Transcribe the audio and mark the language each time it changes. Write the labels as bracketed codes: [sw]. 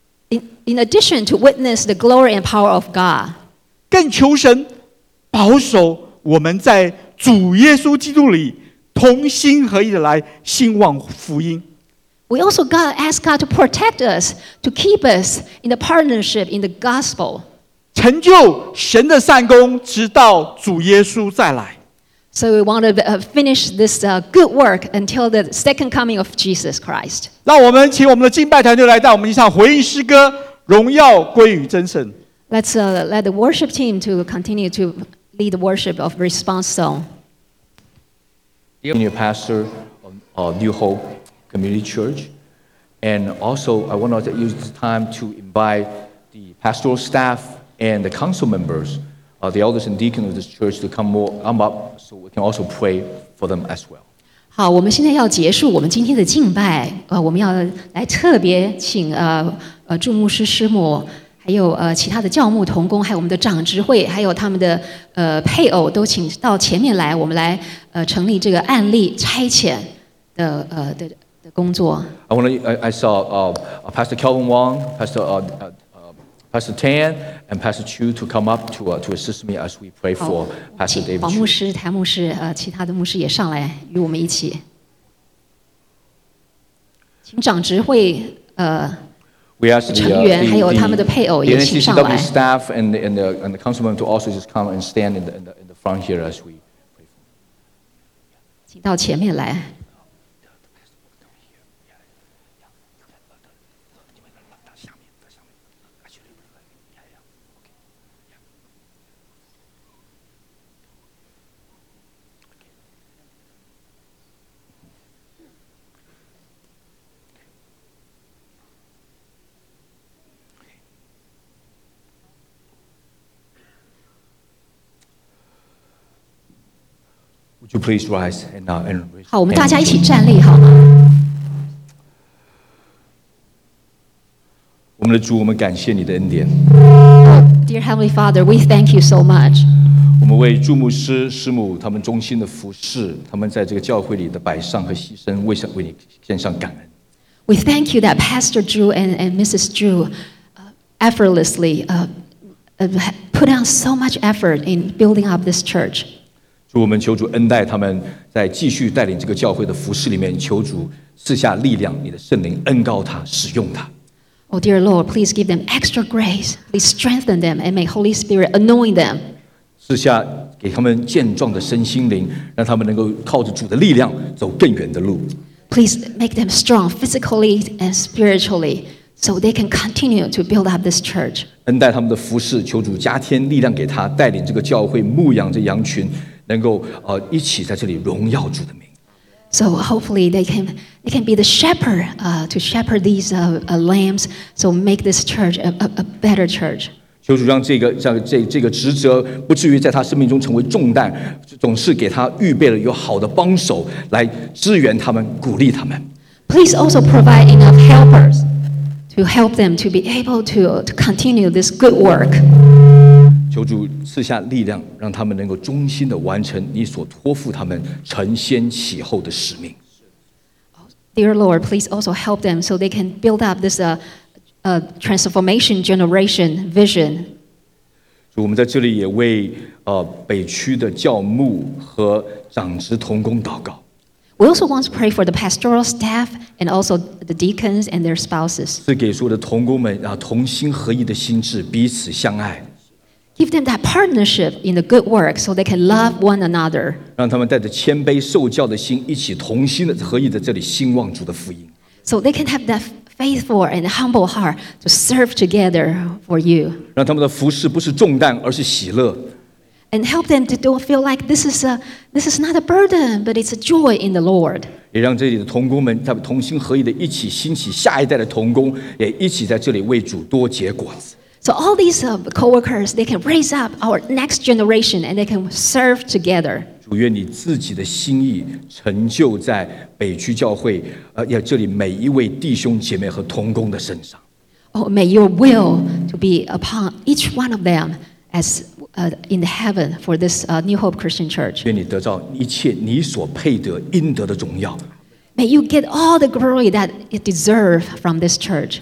[en] In addition to witness the glory and power of God, [zh] 更求神保守我们在主耶稣基督里同心合意的来兴旺福音。 [en] We also ask God to protect us, to keep us in the partnership in the gospel. [zh] 成就神的善工，直到主耶稣再来。 [en] So we want to finish this good work until the second coming of Jesus Christ. [zh] 让我们请我们的敬拜团队来到我们一场回应诗歌，荣耀归于真神。 [en] Let's let the worship team to continue to lead the worship of response song. Senior pastor of New Hope Community Church. And also, I want to use this time to invite the pastoral staff and the council members, the elders and deacons of this church to come up so we can also pray for them as well. [zh] 好，我们现在要结束我们今天的敬拜，我们要来特别请祝牧师师母，还有其他的教牧同工，还有我们的长执会，还有他们的配偶，都请到前面来，我们来成立这个案例差遣的工作。 [en] I saw Pastor Kelvin Wong, Pastor Tan, and Pastor Chu to come up to assist me as we pray for Pastor David. [zh] 黄牧师、谭牧师、其他的牧师也上来与我们一起。请长执会 [en] We ask the NCCW staff and the councilman to also just come and stand in the front here as we pray for them. [zh] 请到前面来。 [en] Would you please rise and now and raise? [zh] 好，我们大家一起站立好吗？我们的主，我们感谢你的恩典。 [en] Dear Heavenly Father, we thank you so much. [zh] 我们为祝牧师、师母他们忠心的服侍，他们在这个教会里的摆上和牺牲，为你献上感恩。 [en] We thank you that Pastor Drew and Mrs. Drew effortlessly put on so much effort in building up this church. [zh] 主，我们求主恩待他们，在继续带领这个教会的服事里面，求主赐下力量，你的圣灵恩膏他，使用他。 [en] Oh dear Lord, please give them extra grace. Please strengthen them and may Holy Spirit anoint them. [zh] 赐下给他们健壮的身心灵，让他们能够靠着主的力量走更远的路。 [en] Please make them strong physically and spiritually, so they can continue to build up this church. [zh] 恩待他们的服事，求主加添力量给他，带领这个教会牧养着羊群。能够一起在这里荣耀主的名。 [en] So hopefully they can be the shepherd to shepherd these lambs, so make this church a better church. [zh] 求主让这个职责不至于在他生命中成为重担，总是给他预备了有好的帮手来支援他们，鼓励他们。 [en] Please also provide enough helpers to help them to be able to continue this good work. [zh] 求主赐下力量，让他们能够忠心的完成你所托付他们承先启后的使命。 [en] Dear Lord, please also help them so they can build up this transformation generation vision. [zh] 主，我们在这里也为北区的教牧和长执同工祷告。 [en] We also want to pray for the pastoral staff and also the deacons and their spouses. [zh] 赐给所有的同工们同心合意的心智，彼此相爱。 [en] Give them that partnership in the good work so they can love one another. [zh] 让他们带着谦卑受教的心，一起同心的合意的这里兴旺主的福音。 [en] So they can have that faithful and humble heart to serve together for you. [zh] 让他们的服事不是重担，而是喜乐。 [en] And help them to don't feel like this is not a burden, but it's a joy in the Lord. [zh] 也让这里的同工们，他们同心合意的一起兴起下一代的同工，也一起在这里为主多结果子。 [en] So all these co-workers, they can raise up our next generation and they can serve together. [zh] 主愿你自己的心意成就在北区教会，要这里每一位弟兄姐妹和同工的身上。 [en] Oh, may your will to be upon each one of them as in the heaven for this New Hope Christian Church. [zh] 愿你得到一切你所配得应得的荣耀。 [en] May you get all the glory that it deserves from this church.